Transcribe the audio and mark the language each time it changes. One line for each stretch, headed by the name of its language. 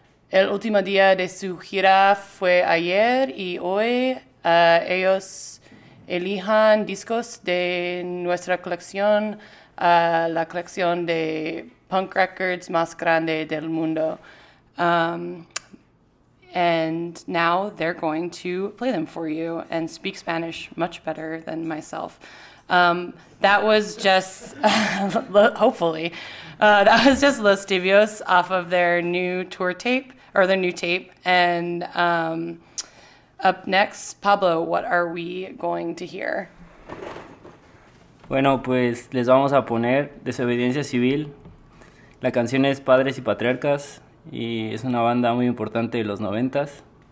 Spanish: El último día de su gira fue ayer y hoy ellos elijan discos de nuestra colección, la colección de punk records más grande del mundo.
English: And now they're going to play them for you and speak Spanish much better than myself. That was just, hopefully, that was just Los Tibios off of their new tour tape, or their new tape. And up next, Pablo, what are we going to hear?
Spanish: Bueno, pues les vamos a poner Desobediencia Civil. La canción es Padres y Patriarcas. Y es una banda muy importante de los 90s.